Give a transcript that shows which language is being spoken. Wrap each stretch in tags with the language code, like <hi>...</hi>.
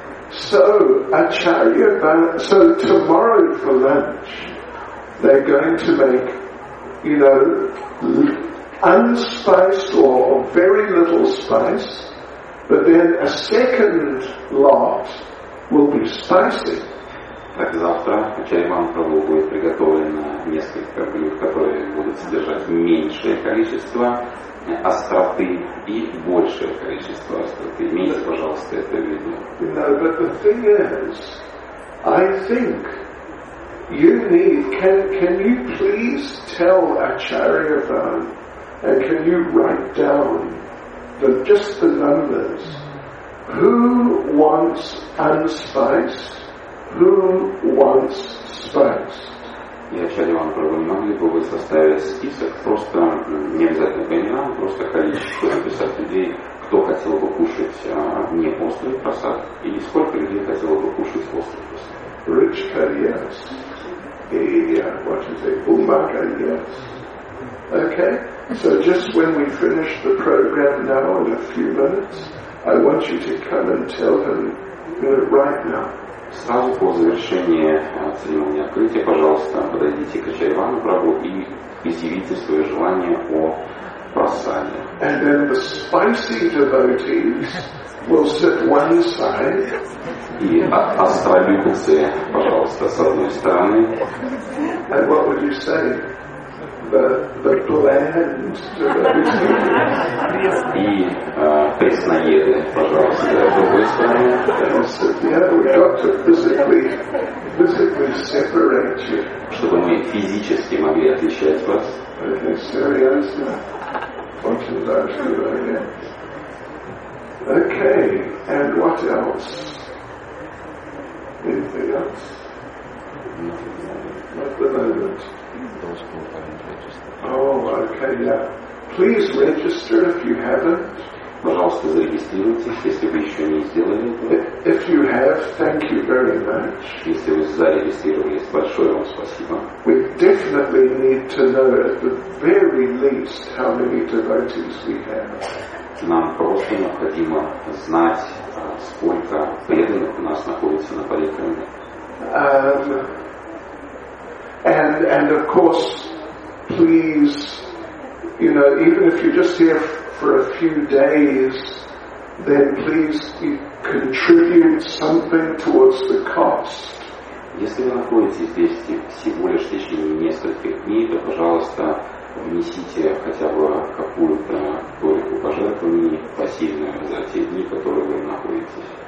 <en>So Acharya, so tomorrow for lunch, they're going to make, you know, unspiced or very little spice, but then a second lot will be spicy.</en> <ru>Так завтра Ачарьяман Прабху будет приготовлено несколько блюд, которые будут содержать меньшее количество остроты и большее количество остроты. Имейте, пожалуйста, это в виду.</ru> <en>No, but the thing is, I think you need, can you please tell Acharyavan and can you write down the, just the numbers, who wants unspiced, who wants spiced?</en> <ru>Я чай вам проговорил, чтобы вы составили список, просто не обязательно по именам, просто количество, написать людей, кто хотел бы кушать не острый просад, и сколько людей хотело бы кушать острый просад.</ru> <en>Ричка, yes. Yeah, what you say?</en> <ru>Бумага,</ru> <en>yes. Okay, so just when we finish the program now in a few minutes, I want you to come and tell them right now.</en> <ru>Сразу по завершении церемонии открытия, пожалуйста, подойдите к Ачарьявану Прабху и изъявите свое желание о просаде.</ru> <en>And then the spicy devotees will sit one side.</en> <ru>И остролюбцы, пожалуйста, с одной стороны.</ru> <en>And what would you say? The bland devotees.</en> <ru>И пресноеды, пожалуйста, с другой стороны.</ru> <en>Yeah, we've got to physically separate you.</en> <ru>Чтобы мы физически могли отличать вас.</ru> <en>Okay, seriously. What should I do again? Okay, and what else? Anything else? Not the moment. Oh, okay, yeah. Please register if you haven't.</en> <ru>Пожалуйста, зарегистрируйтесь, если вы еще не сделали этого.</ru> <en>If you have, thank you very much.</en> <ru>Если вы зарегистрировались, большое вам спасибо.</ru> <en>We definitely need to know at the very least how many devotees we have.</en> <ru>Нам просто необходимо знать, сколько преданных у нас находится на парикраме.</ru> <en>And of course, please, you know, even if you're just here for a few days, then please contribute something towards the cost.</en> <ru>Если вы находитесь здесь всего лишь в течение нескольких дней, то, пожалуйста, внесите хотя бы какую-то толику пожертвований посильную за те дни, которые вы находитесь.</ru>